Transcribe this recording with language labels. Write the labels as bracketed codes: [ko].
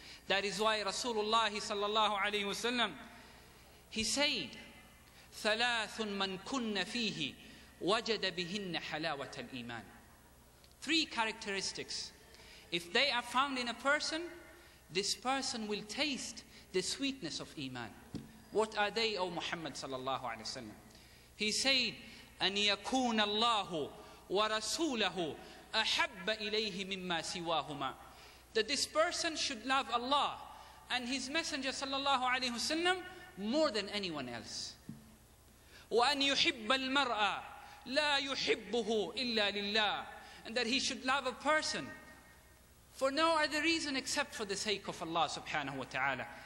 [en] That is why Rasulullah sallallahu alayhi wasallam, he said, [ar] ثَلَاثٌ مَنْ كُنَّ فِيهِ وَجَدَ بِهِنَّ حَلَاوَةَ الْإِيمَانِ. [en] Three characteristics. If they are found in a person, this person will taste the sweetness of iman. What are they, O Muhammad sallallahu alayhi wa sallam? He said, [ar] أَنْ يَكُونَ اللَّهُ وَرَسُولَهُ أَحَبَّ إِلَيْهِ مِمَّا سِوَاهُمَا. [en] That this person should love Allah and his messenger sallallahu alayhi wa sallam more than anyone else. [ar] وَأَنْ يُحِبَّ الْمَرْأَى لَا يُحِبُّهُ إِلَّا لِلَّهِ. [en] And that he should love a person for no other reason except for the sake of Allah subhanahu wa ta'ala.